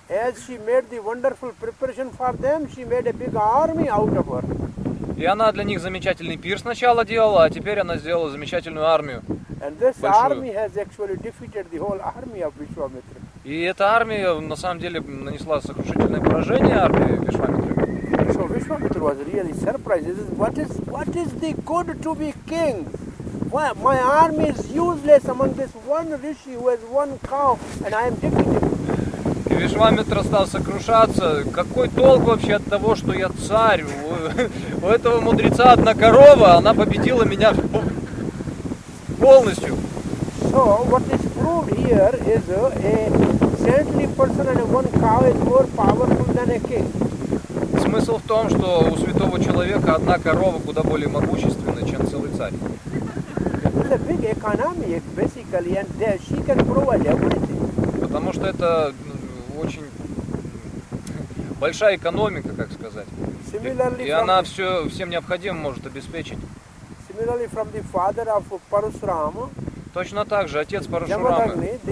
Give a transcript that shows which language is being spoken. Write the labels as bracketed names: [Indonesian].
[English] As she made the wonderful preparation for them, she made a big army out of her. [Russian] И она для них замечательный пир сначала делала, а теперь она сделала замечательную армию. [English] And this [Russian] большую. [English] Army has actually defeated the whole army of Vishwamitra. [Russian] И эта армия на самом деле нанесла сокрушительное поражение армии Вишвамитры. [English] So Vishwamitra was really surprised. What is the good to be king? Why my army is useless among this one rishi who has one cow and I am defeated? [Russian] Вишвамитра стал сокрушаться. Какой толк вообще от того, что я царь? У этого мудреца одна корова, она победила меня полностью. [English] So what is proved here is a saintly person and one cow is more powerful than a king. [Russian] Смысл в том, что у святого человека одна корова куда более могущественна, чем целый царь. [English] It's a big economy, basically, and she can provide everything. [Russian] Потому что это очень большая экономика, как сказать. [English] Similarly, [Russian] и она все, всем необходимым может обеспечить. [English] Similarly, from the father of Parashurama. [Russian] Точно так же, отец Парашурамы,